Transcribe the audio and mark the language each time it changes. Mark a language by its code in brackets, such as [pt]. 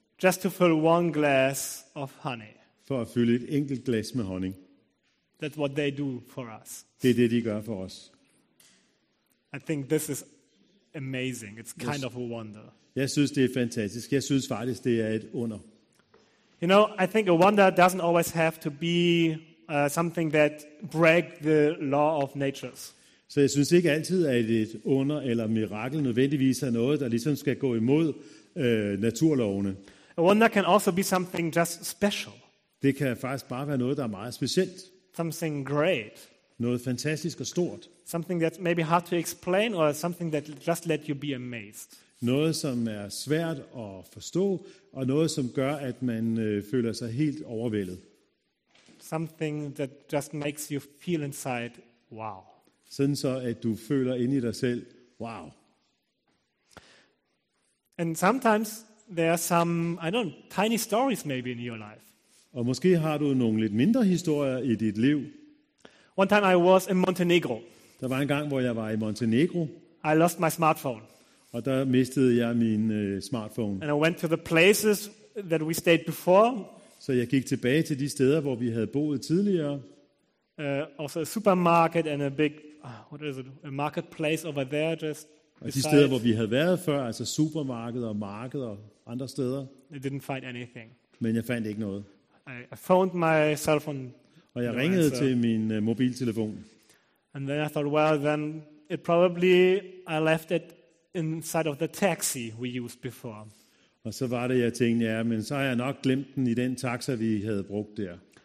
[en] Just to fill one glass of honey. [da] For at fylde et enkelt glas med honning. [en] That's what they do for us. [da] Det er det de gør for os. [en] I think this is amazing. It's kind of a wonder. [da] Jeg synes det er fantastisk. Jeg synes faktisk det er et under. [en] You know, I think a wonder doesn't always have to be something that break the law of nature. [da] Så jeg synes ikke altid at et under eller mirakel nødvendigvis er noget der ligesom skal gå imod naturlovene. [en] A wonder can also be something just special. [da] Det kan faktisk bare være noget der er meget specielt. [en] Something great. [da] Noget fantastisk og stort. [en] Something that's maybe hard to explain or something that just let you be amazed. [da] Noget, som er svært at forstå, og noget, som gør, at man føler sig helt overvældet. [en] Something that just makes you feel inside, wow. [da] Sådan så, at du føler ind i dig selv, wow. [en] And sometimes there are some, I don't know, tiny stories maybe in your life. [da] Og måske har du nogle lidt mindre historier i dit liv. [en] One time I was in Montenegro. [da] Der var en gang, hvor jeg var i Montenegro. [en] I lost my smartphone. [da] Og der mistede jeg min smartphone. [en] And I went to the places that we stayed before. [da] Så jeg gik tilbage til de steder, hvor vi havde boet tidligere. [en] Also a supermarket and a big, what is it, a marketplace over there just. [da] Og de steder, hvor vi havde været før, altså supermarkeder og markeder og andre steder. [en] I didn't find anything. [da] Men jeg fandt ikke noget. [en] I phoned my cell phone. [da] Og jeg ringede til min mobiltelefon. [en] And then I thought, well, then it probably I left it inside of the taxi we used before. [da] Og så var det jeg tænkte, ja, men så har jeg nok glemt den i den taxa vi havde brugt der.